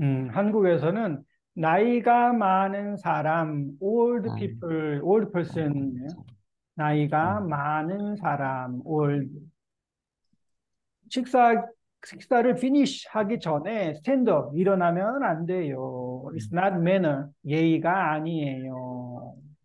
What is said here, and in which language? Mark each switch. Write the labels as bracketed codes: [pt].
[ko] 한국에서는 나이가 많은 사람, old 아니, [en] people, old person, [ko] 나이가 많은 사람, [en] old. [ko] 식사를 finish 하기 전에 [en] stand up, [ko] 일어나면 안 돼요. [en] It's not manner, [ko] 예의가 아니에요.